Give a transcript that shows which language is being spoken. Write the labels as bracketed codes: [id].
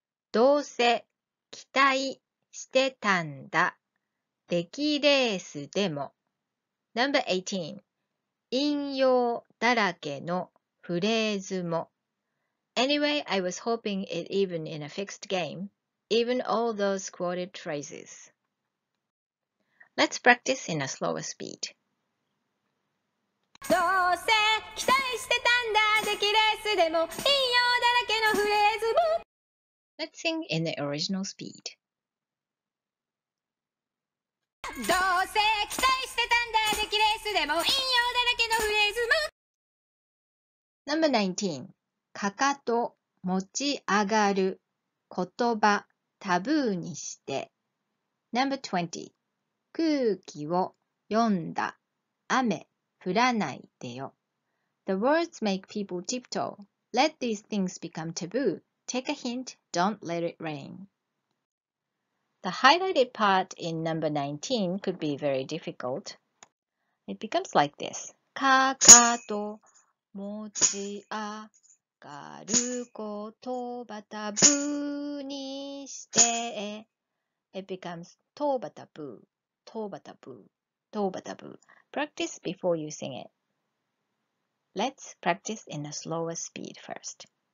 [ja] どうせ期待してたんだ。出来レースでも。 [en] Number 18. [ja] 引用だらけのフレーズも。 [en] Anyway, I was hoping it even in a fixed game. Even all those quoted phrases. Let's practice in a slower speed. [ja] どうせ期待してたんだ、出来レースでも引用だらけのフレーズも。 [en] Let's sing in the original speed. [ja] どうせ期待してたんだ、出来レースでも引用だらけのフレーズも。 [en] Number 19. [ja] かかと持ち上がる言葉タブーにして。 [en] Number 20. [ja] 空気を読んだ。雨降らないでよ。 [en] The words make people tiptoe. Let these things become taboo. Take a hint. Don't let it rain. The highlighted part in number 19 could be very difficult. It becomes like this. [ja] かかと持ち上がる言葉タブーにして。 [en] It becomes とばタブー。 [ja] トーバタブー、トーバタブー。 [en] Practice before you sing it. Let's practice in a slower speed first.